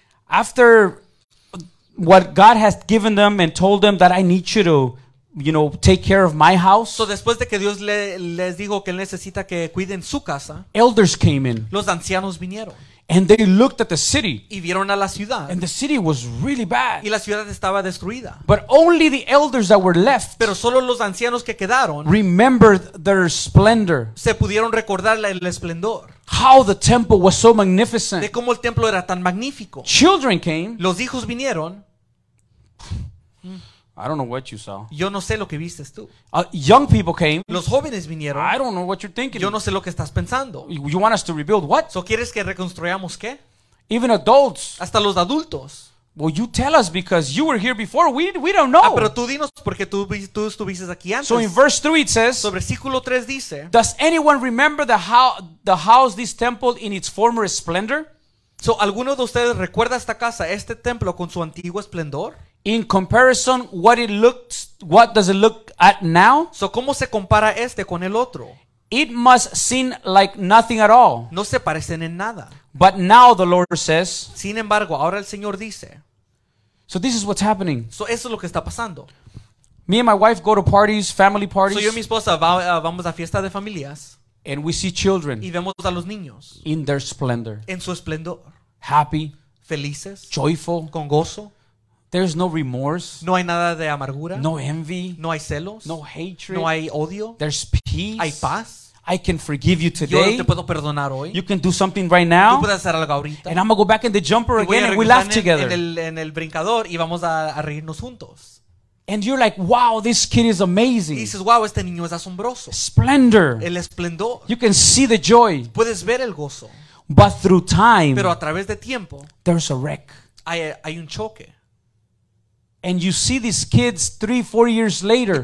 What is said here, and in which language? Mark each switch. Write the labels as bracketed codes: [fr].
[en] After what God has given them and told them that I need you to, you know, take care of my house. [es] So después de que Dios les dijo que él necesita que cuiden su casa. [en] Elders came in. [es] Los ancianos vinieron. [en] And they looked at the city. [es] Y vieron a la ciudad. [en] And the city was really bad. [es] Y la ciudad estaba destruida. [en] But only the elders that were left. [es] Pero solo los ancianos que quedaron. [en] Remembered their splendor. [es] Se pudieron recordar el esplendor. [en] How the temple was so magnificent. [es] De cómo el templo era tan magnífico. [en] Children came. [es] Los hijos vinieron. [en] I don't know what you saw. [es] Yo no sé lo que vistes tú. [en] Young people came. [es] Los jóvenes vinieron. [en] I don't know what you're thinking. [es] Yo no sé lo que estás pensando. [en] You want us to rebuild what? [es] So quieres que reconstruyamos qué? [en] Even adults. [es] Hasta los adultos. [en] Well, you tell us because you were here before. We don't know. [es] Ah, pero tú dinos porque tú estuviste aquí antes. [en] So in verse 3 it says. [es] So versículo 3 dice. [en] Does anyone remember the house, this temple in its former splendor? [es] So alguno de ustedes recuerda esta casa, este templo con su antiguo esplendor? [en] In comparison, what it looked, what does it look at now? [es] So, ¿cómo se compara este con el otro? [en] It must seem like nothing at all. [es] No se parecen en nada. [en] But now the Lord says. [es] Sin embargo, ahora el Señor dice. [en] So this is what's happening. [es] So eso es lo que está pasando. [en] Me and my wife go to parties, family parties. [es] So yo y mi esposa vamos a fiesta de familias. [en] And we see children. [es] Y vemos a los niños. [en] In their splendor. [es] En su esplendor. [en] Happy. [es] Felices. [en] Joyful. [es] Con gozo. [en] There's no remorse. [es] No hay nada de amargura. [en] No envy. [es] No hay celos. [en] No hatred. [es] No hay odio. [en] There's peace. [es] Hay paz. [en] I can forgive you today. [es] Yo te puedo perdonar hoy. [en] You can do something right now. [es] Tú puedes hacer algo ahorita. [en] And I'm gonna go back in the jumper again, and we laugh together. [es] En el brincador y vamos a reírnos juntos. [en] And you're like, wow, this kid is amazing. [es] Y dices, wow, este niño es asombroso. [en] Splendor. [es] El esplendor. [en] You can see the joy. [es] Puedes ver el gozo. [en] But through time. [es] Pero a través de tiempo. [en] There's a wreck. [es] Hay un choque. [en] And you see these kids 3-4 years later.